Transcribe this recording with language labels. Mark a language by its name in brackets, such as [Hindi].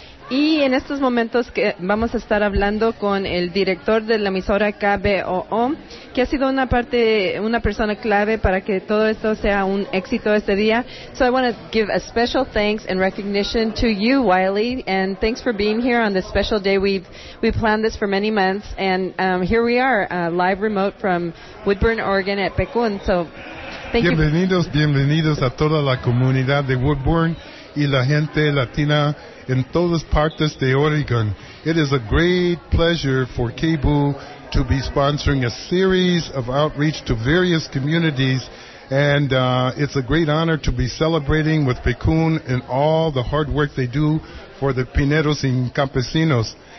[Spanish] Y en estos momentos que vamos a estar hablando con el director de la emisora KBOO, que ha sido una persona clave para que todo esto sea un éxito este día. [English] So I want to give a special thanks and recognition to you, Wiley, and thanks for being here on this special day. We planned this for many months, and here we are, live remote from Woodburn, Oregon at Pecun. So thank [Spanish] bienvenidos, [English] you. [Spanish] Bienvenidos a toda la comunidad de Woodburn y la gente latina in todas partes de Oregon. [English] It is a great pleasure for KBOO to be sponsoring a series of outreach to various communities, and it's a great honor to be celebrating with Pecun and all the hard work they do for the Pineros y Campesinos.